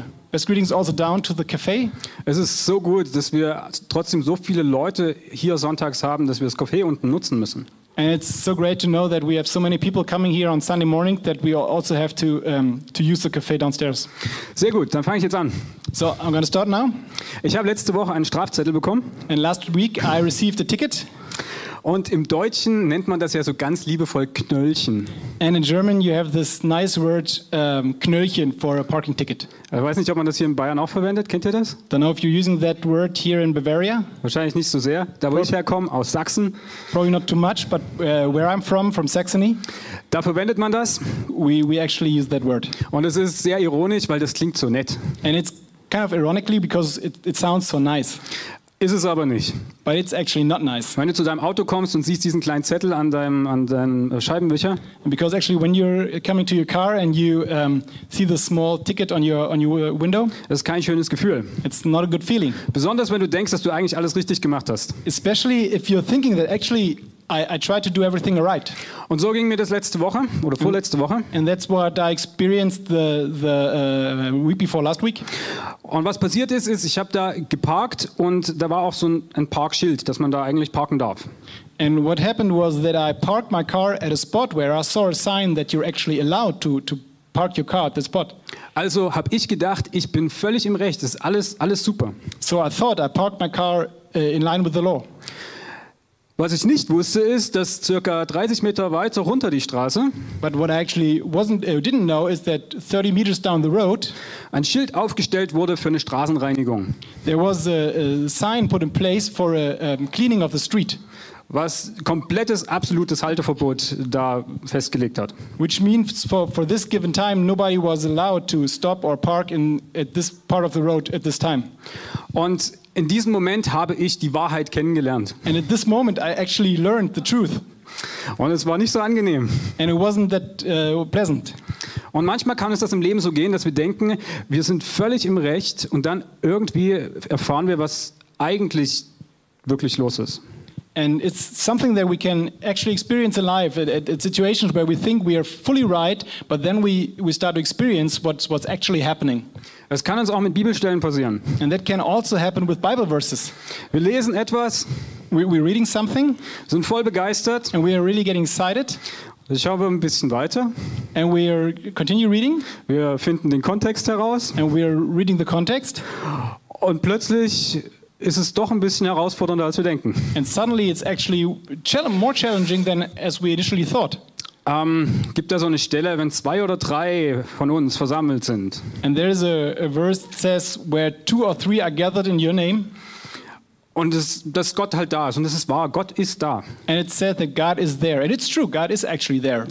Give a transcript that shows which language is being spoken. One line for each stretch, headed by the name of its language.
English: Best greetings also down to the cafe.
German: Es ist so gut, dass wir trotzdem so viele Leute hier sonntags haben, dass wir das Café unten nutzen müssen.
English: And it's so great to know that we have so many people coming here on Sunday morning that we also have to use the cafe downstairs.
German: Sehr gut, dann fange ich jetzt an.
English: So, I'm going to start now.
German: Ich habe letzte Woche einen Strafzettel bekommen.
English: And last week I received a ticket.
German: Und im Deutschen nennt man das ja so ganz liebevoll Knöllchen.
English: And in German you have this nice word Knöllchen for a parking ticket.
German: Ich weiß nicht, ob man das hier in Bayern auch verwendet. Kennt ihr das?
English: Don't know if you're using that word here in Bavaria.
German: Wahrscheinlich nicht so sehr. Da, wo ich herkomme, aus Sachsen.
English: Probably not too much, but where I'm from Saxony.
German: Da verwendet man das.
English: We actually use that word.
German: Und es ist sehr ironisch, weil das klingt so nett.
English: And it's kind of ironically because it sounds so nice.
German: Ist es aber nicht.
English: But it's actually not nice.
German: Wenn du zu deinem Auto kommst und siehst diesen kleinen Zettel an deinem Scheibenwischer.
English: And because actually when you're coming to your car and you see the small ticket on your window.
German: Das ist kein schönes Gefühl.
English: It's not a good feeling.
German: Besonders wenn du denkst, dass du eigentlich alles richtig gemacht hast.
English: Especially if you're thinking that actually I tried to do everything right.
German: Und so ging mir das letzte Woche oder vorletzte Woche.
English: And that's what I experienced the week before last week.
German: Und was passiert ist, ich habe da geparkt und da war auch so ein Parkschild, dass man da eigentlich parken darf.
English: And what happened was that I parked my car at a spot where I saw a sign that you're actually allowed to park your car at the spot.
German: Also habe ich gedacht, ich bin völlig im Recht, das ist alles super.
English: So I thought I parked my car in line with the law.
German: Was ich nicht wusste, ist, dass circa 30 Meter weiter runter die Straße,
English: but what I actually didn't know is that 30 meters down the road,
German: ein Schild aufgestellt wurde für eine Straßenreinigung.
English: There was a sign put in place for a cleaning of the street,
German: was komplettes absolutes Halteverbot da festgelegt hat.
English: Which means for this given time nobody was allowed to stop or park at this part of the road at this time.
German: Und in diesem Moment habe ich die Wahrheit kennengelernt.
English: And at this moment I actually learned the truth.
German: Und es war nicht so angenehm.
English: And it wasn't that pleasant.
German: Und manchmal kann es das im Leben so gehen, dass wir denken, wir sind völlig im Recht und dann irgendwie erfahren wir, was eigentlich wirklich los ist.
English: And it's something that we can actually experience in life, at situations where we think we are fully right, but then we start to experience what's actually happening.
German: Es kann uns auch mit Bibelstellen passieren.
English: And that can also happen with Bible verses.
German: Wir lesen etwas.
English: We're reading something.
German: Sind voll begeistert.
English: And we are really getting excited.
German: Ich schaue ein bisschen weiter.
English: And we are continue reading.
German: Wir finden den Kontext heraus.
English: And we are reading the context.
German: Und plötzlich ist es doch ein bisschen herausfordernder, als wir denken.
English: And suddenly it's actually more challenging than as we initially thought.
German: Gibt da so eine Stelle, wenn zwei oder drei von uns versammelt sind?
English: And there is a verse that says where two or three are gathered in your name.
German: Und es, dass Gott halt da ist und es ist wahr, Gott ist da.
English: And it said that God is there and it's true, God is actually there.